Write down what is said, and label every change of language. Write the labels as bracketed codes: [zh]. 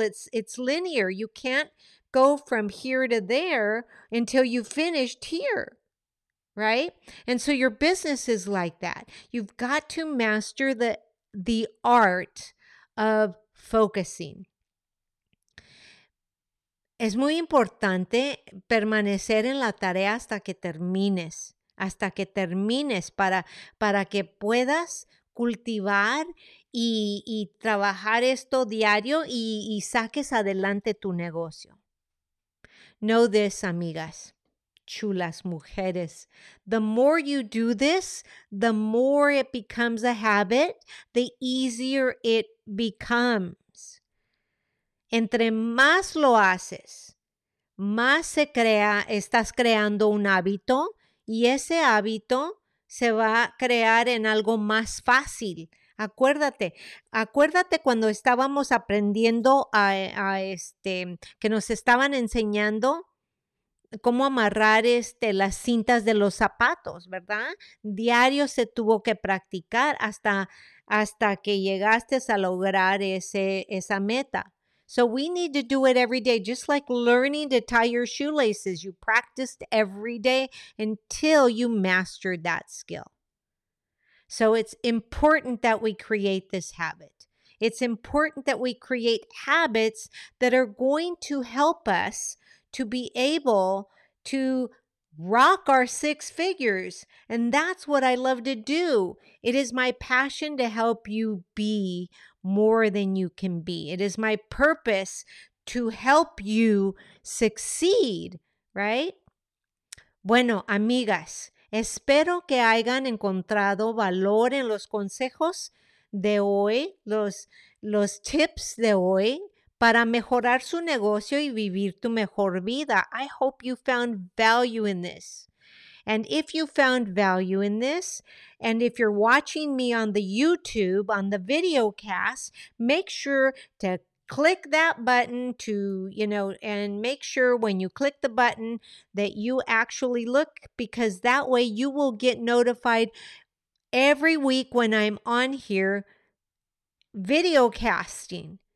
[en] It's linear. You can't go from here to there until you finished here, right? And so your business is like that. You've got to master the art of focusing. [es] Es muy importante permanecer en la tarea hasta que termines. Hasta que termines para que puedas cultivar y trabajar esto diario y saques adelante tu negocio. [en] Know this, [es] amigas, chulas mujeres. [en] The more you do this, the more it becomes a habit, the easier it becomes. [es] Entre más lo haces, más se crea, estás creando un hábito. Y ese hábito se va a crear en algo más fácil. Acuérdate cuando estábamos aprendiendo que nos estaban enseñando cómo amarrar las cintas de los zapatos, ¿verdad? Diario se tuvo que practicar hasta que llegaste a lograr esa meta. [en] So we need to do it every day, just like learning to tie your shoelaces. You practiced every day until you mastered that skill. So it's important that we create this habit. It's important that we create habits that are going to help us to be able to rock our six figures. And that's what I love to do. It is my passion to help you be more than you can be. It is my purpose to help you succeed, right? [es] Bueno, amigas, espero que hayan encontrado valor en los consejos de hoy, los tips de hoy para mejorar su negocio y vivir tu mejor vida. [en] I hope you found value in this. And if you found value in this, and if you're watching me on the YouTube, on the video cast, make sure to click that button and make sure when you click the button that you actually look, because that way you will get notified every week when I'm on here video casting.